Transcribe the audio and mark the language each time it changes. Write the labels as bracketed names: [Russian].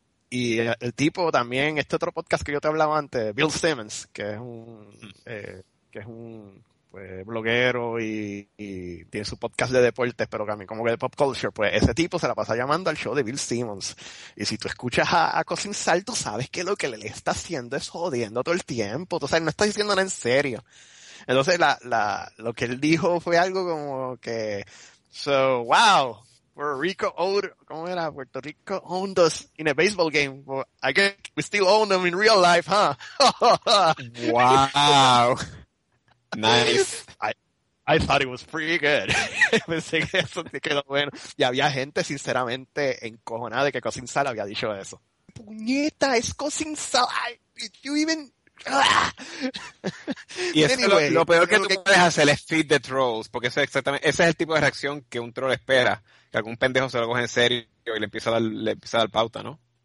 [Spanish] Y el tipo también, este otro podcast que yo te hablaba antes, Bill Simmons, que es un bloguero y tiene su podcast de deportes, pero también como que de pop culture, pues ese tipo se la pasa llamando al show de Bill Simmons. Y si tú escuchas a Cousin Sal, tú sabes que lo que le está haciendo es jodiendo todo el tiempo. O sea, no está diciendo nada en serio. Entonces, lo que él dijo fue algo como que, [English] so, wow. [Spanish] Puerto Rico [English] owned, [Spanish] ¿cómo era? [English] Puerto Rico owned us in a baseball game. Well, I guess we still own them in real life, huh? Wow. Nice. I thought it was pretty good. [Spanish] Pensé que eso sí quedó bueno. Y había gente sinceramente encojonada de que Cousin Sal había dicho eso. Puñeta, es Cousin Sal. [English] Did you even... [Spanish] Y eso, anyway, lo peor que tú que... puedes hacer es [English] feed the trolls, [Spanish] porque ese es el tipo de reacción que un troll espera, que algún pendejo se lo coge en serio y le empieza a dar pauta, ¿no?